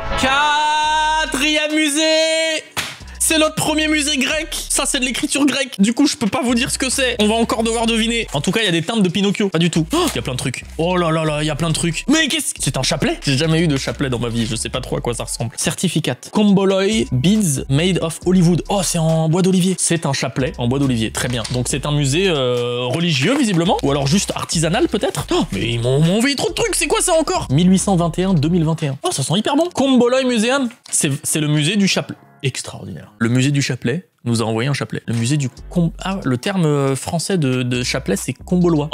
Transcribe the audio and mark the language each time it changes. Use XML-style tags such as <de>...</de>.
<fr>Quatrième musée ! C'est notre premier musée grec ! Ça, c'est de l'écriture grecque ! Du coup, je peux pas vous dire ce que c'est ! On va encore devoir deviner ! En tout cas, il y a des timbres de Pinocchio ! Pas du tout ! Oh, il y a plein de trucs ! Oh là là là, il y a plein de trucs ! Mais qu'est-ce que... C'est un chapelet ! J'ai jamais eu de chapelet dans ma vie, je sais pas trop à quoi ça ressemble !</fr> <en>Certificate. Comboloi beads made of Hollywood.</en> <fr>Oh, c'est en bois d'olivier ! C'est un chapelet en bois d'olivier, très bien ! Donc c'est un musée religieux, visiblement ! Ou alors juste artisanal, peut-être ! Oh, mais ils m'ont envoyé trop de trucs ! C'est quoi ça encore ! 1821-2021. Oh, ça sent hyper bon ! Comboloi Museum, c'est le musée du chapelet. Extraordinaire. Le musée du chapelet nous a envoyé un chapelet. Le musée du le terme français de chapelet, c'est combolois.</fr>